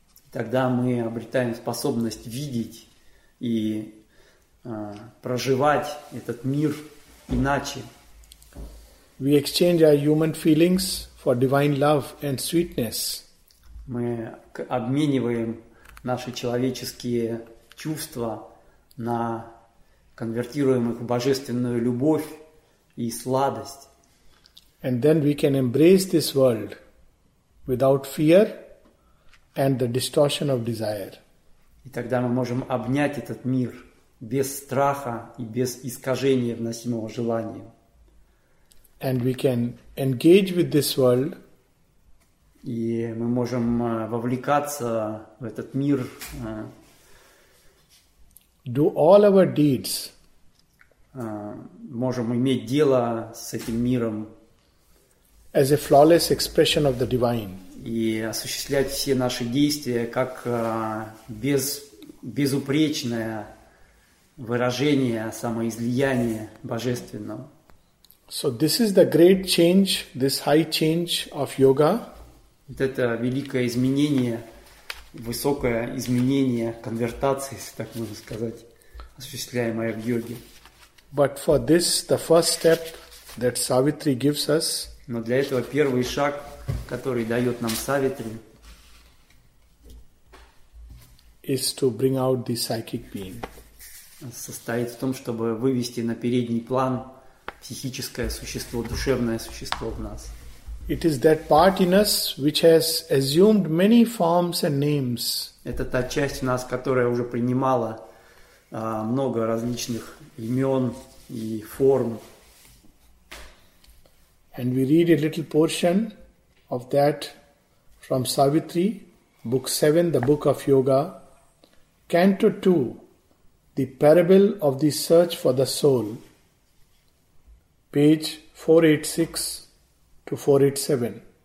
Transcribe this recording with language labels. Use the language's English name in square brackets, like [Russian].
[Russian] Тогда мы обретаем способность видеть и проживать этот мир иначе. [English] We exchange our human feelings for divine love and sweetness. [Russian] Мы обмениваем наши человеческие чувства на конвертируем их в божественную любовь и сладость. [English] And then we can embrace this world without fear and the distortion of desire. [Russian] И тогда мы можем обнять этот мир без страха и без искажения вносимого желанием. [English] And we can engage with this world. [Russian] И мы можем вовлекаться в этот мир. [English] Do all our deeds. [Russian] Можем иметь дело с этим миром. [English] As a flawless expression of the divine. [Russian] И осуществлять все наши действия как безупречное выражение самоизлияния божественного. [English] So this is the great change, this high change of yoga. [Russian] Вот это великое изменение, высокое изменение конвертации, если так можно сказать, осуществляемое в йоге. [English] But for this, the first step that Savitri gives us, [Russian] но для этого первый шаг, который дает нам Савитри, [English] is to bring out the psychic being. [Russian] Состоит в том, чтобы вывести на передний план психическое существо, душевное существо в нас. [English] It is that part in us which has assumed many forms and names. [Russian] Это та часть в нас, которая уже принимала много различных имен и форм. [English] And we read a little portion of that from Savitri, Book 7, the Book of Yoga, Canto 2, the Parable of the Search for the Soul, page 486. To 487.